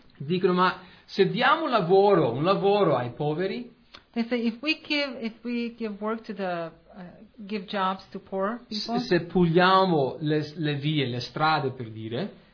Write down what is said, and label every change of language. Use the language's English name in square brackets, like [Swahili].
[Italian] dicono, ma se diamo lavoro, un lavoro ai poveri, [English] they say if we give work to the give jobs to poor people, [Italian] se puliamo le vie, le strade, per dire,